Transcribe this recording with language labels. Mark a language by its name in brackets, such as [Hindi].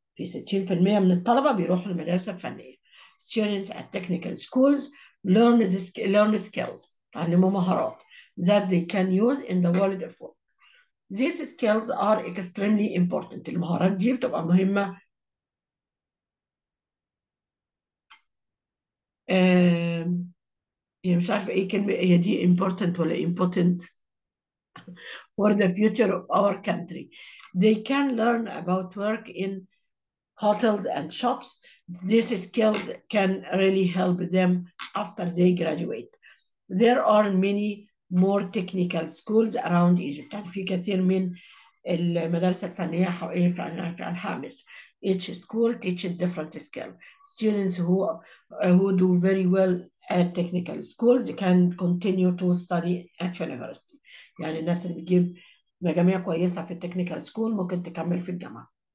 [Arabic] في 60% من الطلبة بيروحوا المدارس الفنية. [English] Students at technical schools learn skills، [Arabic] تعلموا مهارات [English] that they can use in the world of work. These skills are extremely important. [Arabic] المهارات دي بتبقى مهمة. يعني مش عارفة ايه كلمة، هي دي important ولا impotent؟ [English] For the future of our country. They can learn about work in hotels and shops. These skills can really help them after they graduate. There are many more technical schools around Egypt. [Arabic] يعني في كثير من المدارس الفنية حوالين في أنحاء مصر. [English] Each school teaches different skills. Students who do very well at technical schools can continue to study at university. [Arabic] يعني الناس اللي بتجيب مجاميع كويسة في التكنيكال سكول ممكن تكمل في الجامعة.